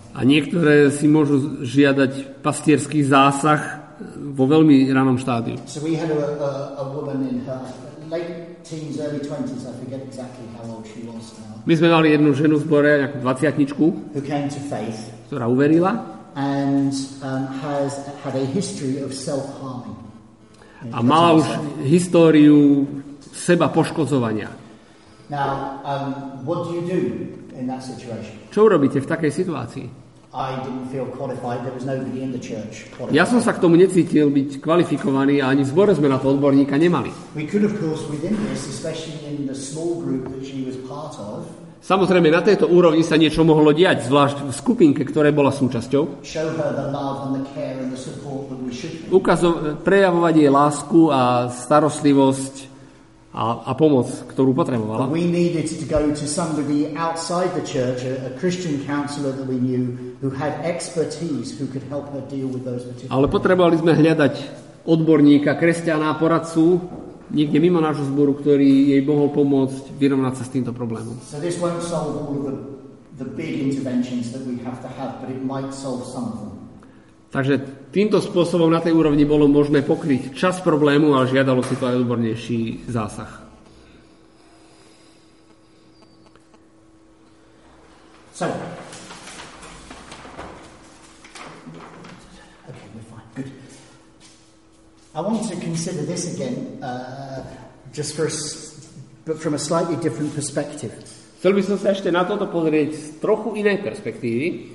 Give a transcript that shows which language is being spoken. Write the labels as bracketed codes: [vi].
[sk] A niektoré si môžu žiadať pastierský zásah vo veľmi ranom štádiu. [en] So we had a woman in her late teens, early 20s, I forget exactly how old she was now. [sk] My sme mali jednu ženu v zbore, nejakú 20-tničku, [en] who came to faith, [sk] ktorá uverila, [en] and has had a history of self-harming. [sk] A mala už históriu seba poškodzovania. [en] Now, what do you do in that situation? [sk] Čo urobíte v takej situácii? [en] I didn't feel qualified. There was nobody in the church qualified. [sk] Ja som sa k tomu necítil byť kvalifikovaný a ani v zbore sme na to odborníka nemali. [en] We could, of course, within this, especially in the small group that she was part of. [sk] Samozrejme, na tejto úrovni sa niečo mohlo diať, zvlášť v skupinke, ktoré bola súčasťou. [en] Show her the love and the care and the support that we should be. [sk] Prejavovať jej lásku a starostlivosť a pomoc, ktorú potrebovala. [en] We needed to go to somebody outside the church, a Christian counselor that we knew who had expertise who could help her deal with those particular. [sk] Ale potrebovali sme hľadať odborníka, kresťana, poradcu niekde mimo nášho zboru, ktorý jej mohol pomôcť vyrovnať sa s týmto problémom. [en] So this won't solve all of the big interventions that we have to have, but it might solve some of them. [sk] Takže týmto spôsobom na tej úrovni bolo možné pokryť časť problému, ale žiadalo si to aj odbornejší zásah. [en] So. Okay, we're fine. Good. I want to consider this again, just for but from a slightly different perspective. [sk] Chcel by som sa ešte na toto pozrieť z trochu inej perspektívy.